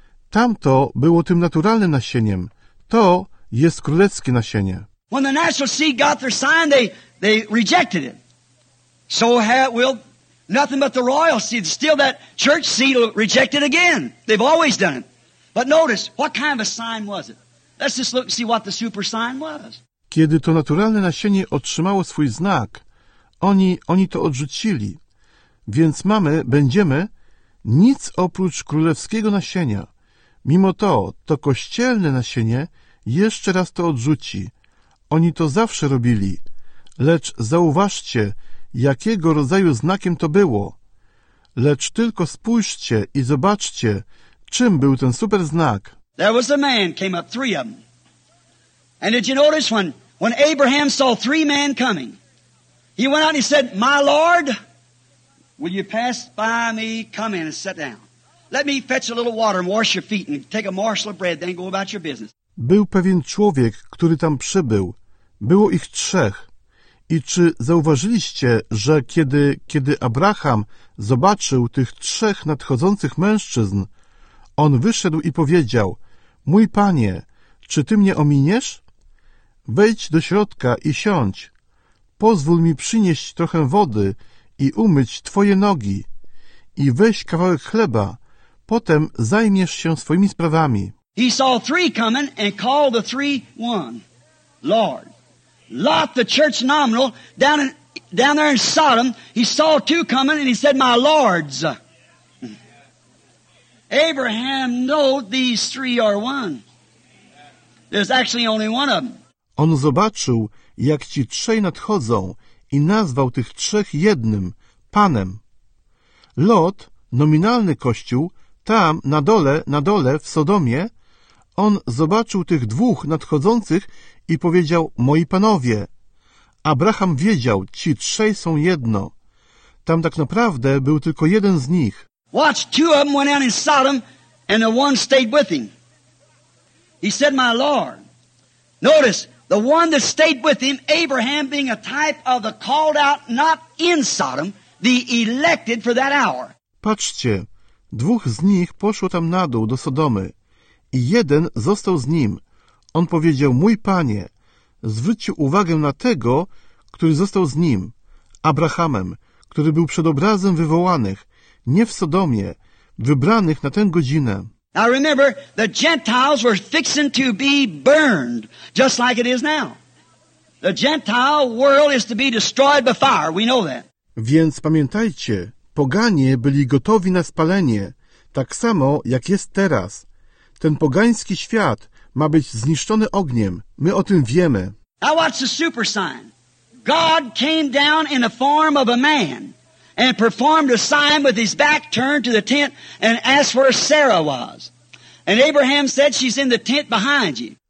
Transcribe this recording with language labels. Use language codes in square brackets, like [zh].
[pl] Tamto było tym naturalnym nasieniem. To jest królewskie nasienie. [en] When the natural seed got their sign, they rejected it. So will nothing but the royal seed. Still that church seed will reject it again. They've always done it. But notice, what kind of a sign was it? Let's just look and see what the super sign was. [pl] Kiedy to naturalne nasienie otrzymało swój znak, oni to odrzucili. Więc mamy, będziemy, nic oprócz królewskiego nasienia. Mimo to kościelne nasienie jeszcze raz to odrzuci. Oni to zawsze robili. Lecz zauważcie, jakiego rodzaju znakiem to było. Lecz tylko spójrzcie i zobaczcie, czym był ten super znak. [en] There was a man came up, three of them. And did you notice when Abraham saw three men coming, he went out and he said, my Lord, will you pass by me, come in and sit down. Let me fetch a little water and wash your feet and take a morsel of bread, then go about your business. [pl] Był pewien człowiek, który tam przybył. Było ich trzech. I czy zauważyliście, że kiedy Abraham zobaczył tych trzech nadchodzących mężczyzn, on wyszedł i powiedział, mój panie, czy ty mnie ominiesz? Wejdź do środka i siądź. Pozwól mi przynieść trochę wody i umyć twoje nogi. I weź kawałek chleba. Potem zajmiesz się swoimi sprawami. [en] He saw three coming and called the three one, Lord. Lot, the church nominal, down there in Sodom, he saw two coming and he said, my lords. Abraham knows these three are one. There's actually only one of them. [pl] On zobaczył, jak ci trzej nadchodzą i nazwał tych trzech jednym, Panem. Lot, nominalny kościół, tam, na dole, w Sodomie, on zobaczył tych dwóch nadchodzących i powiedział, moi panowie. Abraham wiedział, ci trzej są jedno. Tam tak naprawdę był tylko jeden z nich. [en] Watch, two of them went out in Sodom and the one stayed with him. He said, my Lord. Notice, the one that stayed with him, Abraham being a type of the called out, not in Sodom, the elected for that hour. [pl] Patrzcie, dwóch z nich poszło tam na dół do Sodomy i jeden został z nim. On powiedział, mój panie, zwróćcie uwagę na tego, który został z nim, Abrahamem, który był przed obrazem wywołanych, nie w Sodomie, wybranych na tę godzinę. [en] Now remember, the Gentiles were fixing to be burned, just like it is now. The Gentile world is to be destroyed by fire, we know that. [pl] Więc pamiętajcie, poganie byli gotowi na spalenie, tak samo jak jest teraz. Ten pogański świat ma być zniszczony ogniem, my o tym wiemy. [en] Now watch the super sign. God came down in the form of a man. And performed a sign with his back turned to the tent and asked where Sarah was. And Abraham said, she's in the tent behind you.